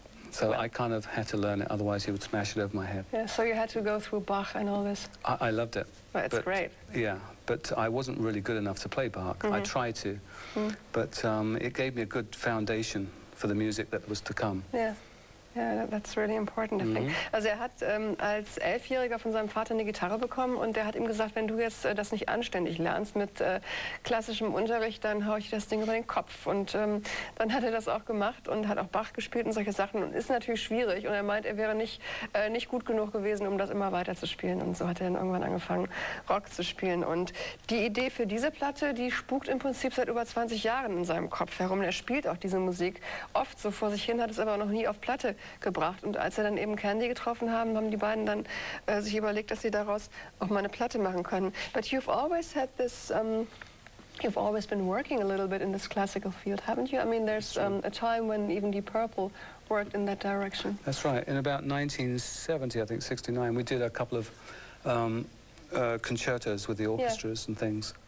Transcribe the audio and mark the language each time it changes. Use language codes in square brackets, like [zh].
[en] So well, I kind of had to learn it, otherwise he would smash it over my head. Yeah, so you had to go through Bach and all this? I loved it. Well, it's great. Yeah. But I wasn't really good enough to play Bach. Mm-hmm. I tried to, but it gave me a good foundation for the music that was to come. Yeah, that's really important, I think. Mm-hmm. [de] Also hat als 11-Jähriger von seinem Vater eine Gitarre bekommen und der hat ihm gesagt, wenn du jetzt das nicht anständig lernst mit klassischem Unterricht, dann hau ich das Ding über den Kopf. Und dann hat er das auch gemacht und hat auch Bach gespielt und solche Sachen. Und ist natürlich schwierig und er meint, er wäre nicht gut genug gewesen, um das immer weiter zu spielen. Und so hat er dann irgendwann angefangen, Rock zu spielen. Und die Idee für diese Platte, die spukt im Prinzip seit über 20 Jahren in seinem Kopf herum. Er spielt auch diese Musik oft so vor sich hin, hat es aber noch nie auf Platte gebracht. Und als er dann eben Candy getroffen haben, haben die beiden dann sich überlegt, dass sie daraus auch mal eine Platte machen können. [en] But you've always had this, you've always been working a little bit in this classical field, haven't you? I mean, there's a time when even Deep Purple worked in that direction. That's right. In about 1970, I think, 69, we did a couple of concertos with the orchestras and things.